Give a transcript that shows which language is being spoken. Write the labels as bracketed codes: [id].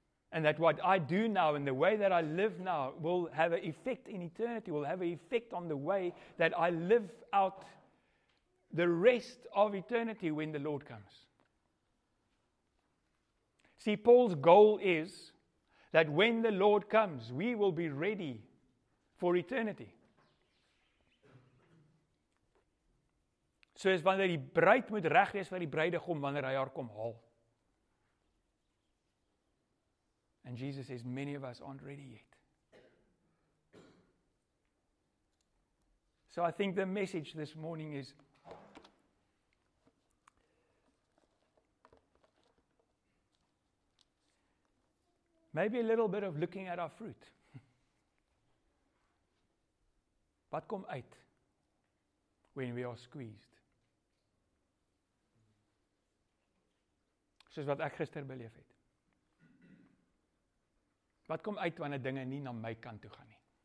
[en] And that what I do now, and the way that I live now, will have an effect in eternity, will have an effect on the way that I live out the rest of eternity when the Lord comes. See, Paul's goal is that when the Lord comes, we will be ready for eternity. [af] So is wanneer die bruid moet reg wees vir die bruidegom wanneer hy haar kom haal. [en] And Jesus says, many of us aren't ready yet. So I think the message this morning is, maybe a little bit of looking at our fruit. [af] Wat kom uit [en] when we are squeezed? [af] Soos wat ek gister beleef het. Wat kom uit wanneer dinge nie na my kant toe gaan nie?